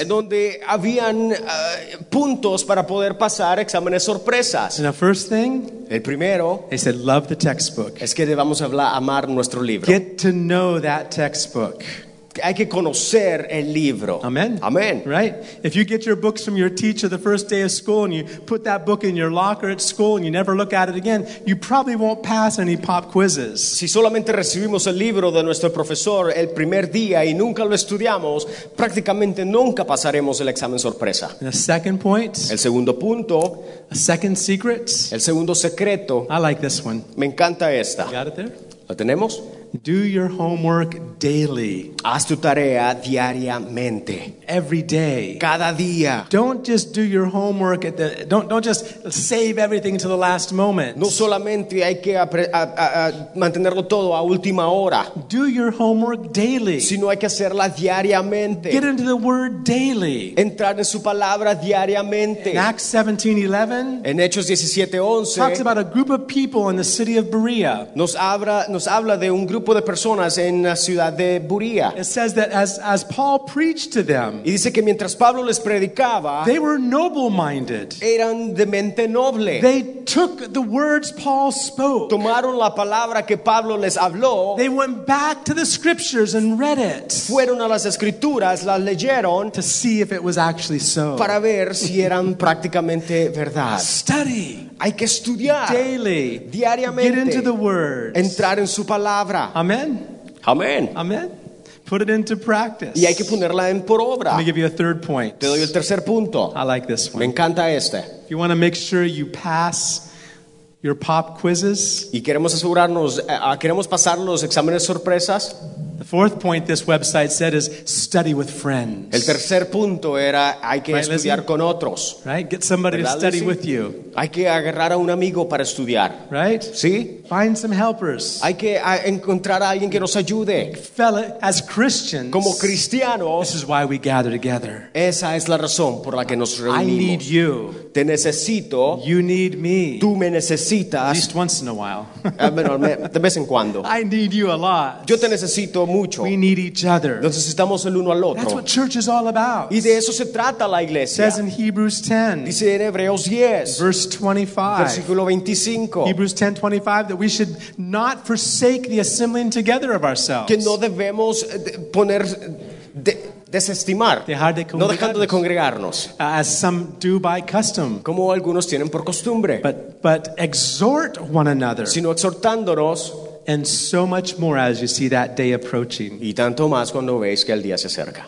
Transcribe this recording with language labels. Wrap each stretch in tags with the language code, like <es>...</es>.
<es>En donde habían puntos para poder pasar exámenes. Sorpresas.</es> <en>And the first thing,</en> <es>el primero,</es> <en>they said, love the textbook.</en> <es>Es que debamos hablar, amar nuestro libro.</es> <en>Get to know that textbook.</en> <es>hay que conocer el libro.</es> <en>Amen.</en> <es>Amen.</es> <en>Right? If you get your books from your teacher the first day of school and you put that book in your locker at school and you never look at it again, you probably won't pass any pop quizzes.</en> <es>Si solamente recibimos el libro de nuestro profesor el primer día y nunca lo estudiamos, prácticamente nunca pasaremos el examen sorpresa.</es> <en>And the second point.</en> <es>El segundo punto.</es> <en>A second secret.</en> <es>El segundo secreto.</es> <en>I like this one.</en> <es>Me encanta esta.</es> <en>You got it there?</en> <es>¿Lo tenemos?</es> <en>Do your homework daily.</en> <es>Haz tu tarea diariamente.</es> <en>Every day.</en> <es>Cada día.</es> <en>Don't just do your homework at the don't just save everything to the last moment.</en> <es>No solamente hay que mantenerlo todo a última hora.</es> <en>Do your homework daily.</en> <es>Sino hay que hacerla diariamente.</es> <en>Get into the word daily.</en> <es>Entrar en su palabra diariamente.</es> <en>In Acts 17:11.</en> <es>En Hechos 17:11.</es> <en>Talks about a group of people in the city of Berea.</en> <es>Nos habla de un grupo de personas en la ciudad de Buria.</es> <en>It says that as Paul preached to them,</en> <es>y dice que mientras Pablo les predicaba,</es> <en>they were noble-minded.</en> <es>Eran de mente noble.</es> <en>They took the words Paul spoke.</en> <es>Tomaron la palabra que Pablo les habló.</es> <en>They went back to the scriptures and read it.</en> <es>Fueron a las escrituras, las leyeron,</es> <en>to see if it was actually so.</en> <es>Para ver si eran prácticamente verdad.</es> <en>Study.</en> <es>Hay que estudiar</es> <en>daily,</en> <es>diariamente.</es> <en>Get into the word.</en> <es>Entrar en su palabra.</es> <en>Amen.</en> <es>Amen.</es> <en>Amen. Put it into practice.</en> <es>Y hay que ponerla en por obra.</es> <en>Let me give you a third point.</en> <es>Te doy el tercer punto.</es> <en>I like this one.</en> <es>Me encanta este.</es> <en>If you want to make sure you pass your pop quizzes.</en> <es>Y queremos asegurarnos, queremos pasar los exámenes sorpresas.</es> <en>The fourth point this website said is study with friends.</en> <es>El tercer punto era hay que</es> <en>right,</en> <es>estudiar</es> <en>Lizzie?</en> <es>Con otros.</es> <en>Right? Get somebody to study with you.</en> <es>Hay que agarrar a un amigo para estudiar.</es> <en>Right?</en> <es>¿Sí?</es> <en>Find some helpers.</en> <es>Hay que encontrar a alguien que nos ayude.</es> <en>Fellow, as Christians,</en> <es>como cristianos,</es> <en>this is why we gather together.</en> <es>Esa es la razón por la que nos reunimos.</es> <en>I need you.</en> <es>Te necesito.</es> <en>You need me.</en> <es>Tú me necesitas.</es> <en>At least once in a while.</en> <es>De vez en cuando.</es> <en>I need you a lot.</en> <es>Yo te necesito mucho.</es> <en>We need each other.</en> <es>Nos necesitamos el uno al otro.</es> <en>That's what church is all about.</en> <es>Y de eso se trata la iglesia.</es> <en>Says in Hebrews 10.</en> <es>Dice en Hebreos 10.</es> <en>Verse 25.</en> <es>Versículo 25.</es> <en>Hebrews 10:25, that we should not forsake the assembling together of ourselves.</en> <es>Que no debemos poner desestimar, no dejando de congregarnos,</es> <en>as some do by custom,</en> <es>como algunos tienen por costumbre,</es> <en>but exhort one another,</en> <es>sino exhortándonos,</es> <en>and so much more as you see that day approaching,</en> <es>y tanto más cuando veis que el día se acerca.</es>